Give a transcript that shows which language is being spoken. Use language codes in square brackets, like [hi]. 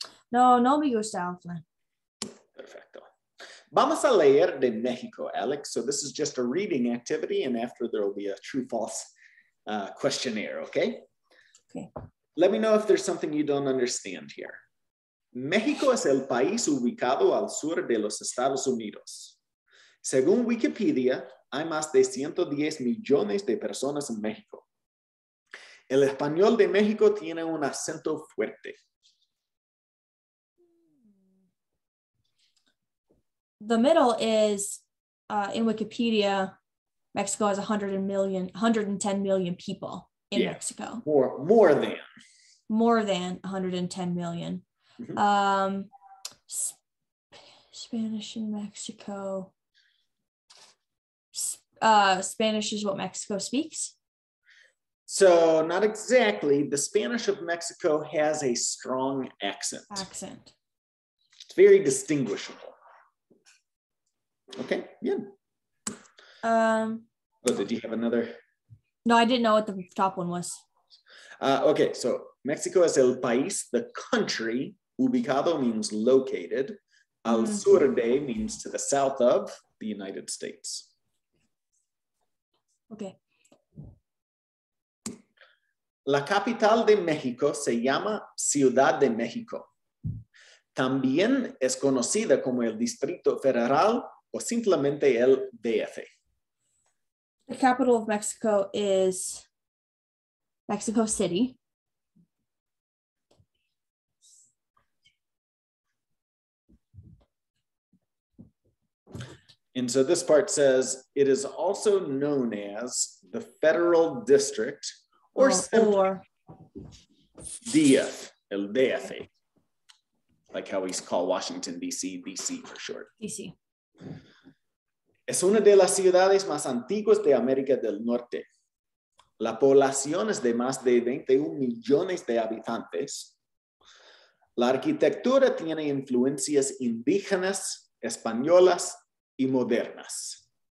[es] No me gusta el flan. Perfecto. Vamos a leer de México, Alex. [en] So this is just a reading activity, and after there will be a true-false questionnaire, okay? Okay. Let me know if there's something you don't understand here. [es] México es el país ubicado al sur de los Estados Unidos. Según Wikipedia, hay más de 110 millones de personas en México. El español de México tiene un acento fuerte. [en] The middle is, in Wikipedia, Mexico has 110 million people in Mexico. More than 110 million. Mm-hmm. Spanish in Mexico. Spanish is what Mexico speaks? So, not exactly. The Spanish of Mexico has a strong accent. Accent. It's very distinguishable. Okay, yeah. Did you have another? No, I didn't know what the top one was. Okay, so Mexico [es] es el país, [en] the country. Ubicado means located. [es] Al sur de [en] means to the south of the United States. Okay. [es] La capital de México se llama Ciudad de México. También es conocida como el Distrito Federal o simplemente el DF. [en] The capital of Mexico is Mexico City. And so this part says it is also known as the Federal District or simply DF, el DF, like how we call Washington, D.C., D.C. for short. D.C. [es] Es una de las ciudades más antiguas de América del Norte. La población es de más de 21 millones de habitantes. La arquitectura tiene influencias indígenas, españolas, y modernas.